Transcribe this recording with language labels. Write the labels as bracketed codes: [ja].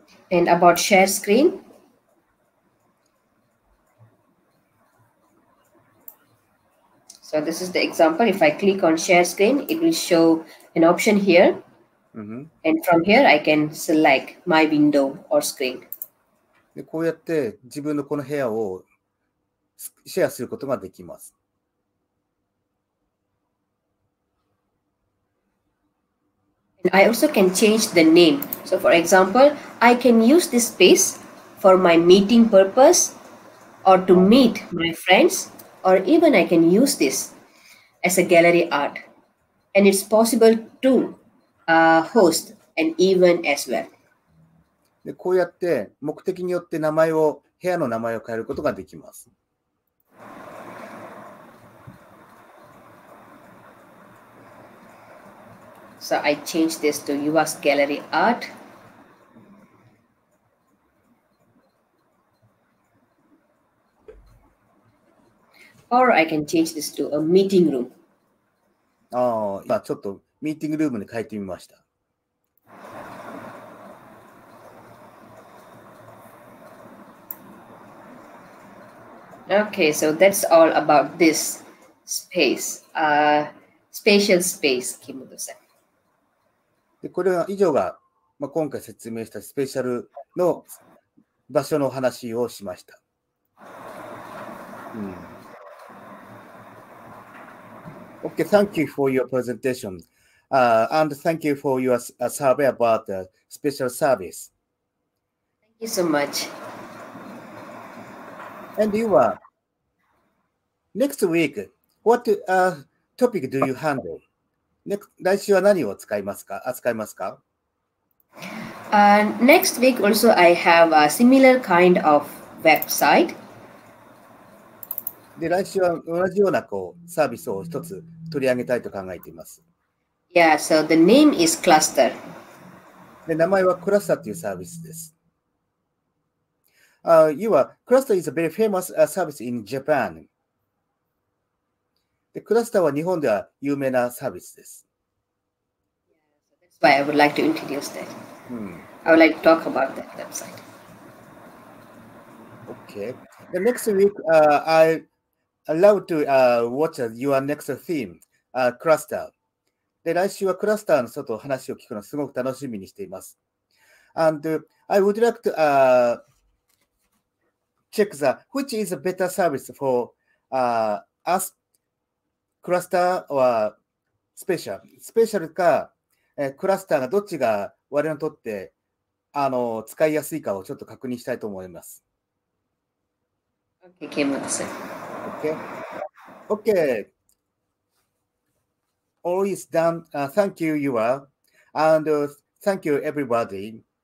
[en] And about share screen. So this is the example. If I click on share screen, it will show an option here. And from here, I can select my window or screen. [ja] で、こうやって自分のこの部屋をシェアすることができます。 [en] I also can change the name. So for example, I can use this space for my meeting purpose or to meet my friends, or even I can use this as a gallery art. And it's possible to host an event as well. [ja] で、こうやって目的によって名前を、部屋の名前を変えることができます。 [en] So I change this to US Gallery Art. Or I can change this to a meeting room. [ja] ああ、今ちょっとミーティングルームに変えてみました。 [en] Okay, so that's all about this space, spatial space, Kimoto-san. [ja] で、これは以上が、まあ、今回説明したスペシャルの場所のお話をしました。 [en] Okay, thank you for your presentation. And thank you for your survey about the special service. Thank you so much. And you are, next week, what topic do you handle? [ja] 来週は何を使いますか、扱いますか、 [en] Next week also I have a similar kind of website. [ja] で、来週は同じようなこうサービスを一つ取り上げたいと考えています。 [en] Yeah, so the name is Cluster. [ja] で、名前はクラスターというサービスです。 [en] You are, Cluster is a very famous service in Japan. [ja] で、クラスターは日本では有名なサービスです。 [en] That's why I would like to introduce that.、I would like to talk about that website. Okay. The next week, I love to watch your next theme, Cluster. [ja] で、来週はクラスターのちょっと話を聞くのすごく楽しみにしています。 [en] And I would like to check the which is a better service for us, Cluster or Spatial. [ja] Spatial か、クラスターがどっちが我々にとって使いやすいかをちょっと確認したいと思います。 [en] Okay, Kim, let's see. Okay. Okay. All is done. Thank you, Yua. And thank you, everybody.